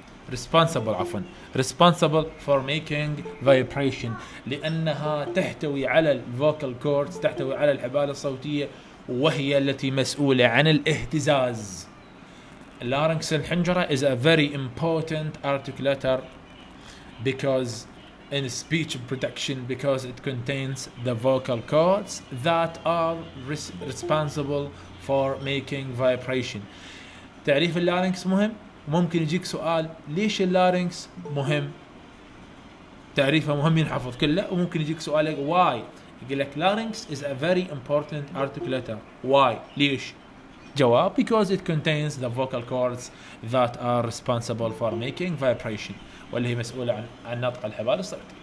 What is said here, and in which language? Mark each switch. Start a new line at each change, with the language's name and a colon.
Arabic: responsible عفوا
English: responsible for making vibration،
Arabic: لأنها تحتوي على vocal cords، تحتوي على الحبال الصوتية، وهي التي مسؤولة عن الاهتزاز.
English: larynx الحنجرة is a very important articulator because in speech production because it contains the vocal cords that are responsible for making vibration.
Arabic: تعريف larynx مهم. ممكن يجيك سؤال ليش larynx مهم، تعريفه مهم ينحفظ كله، وممكن يجيك سؤال why، يقول لك
English: larynx is a very important articulator why،
Arabic: ليش؟ جواب
English: because it contains the vocal cords that are responsible for making vibration،
Arabic: واللي هي مسؤولة عن نطق الحبال الصوتي.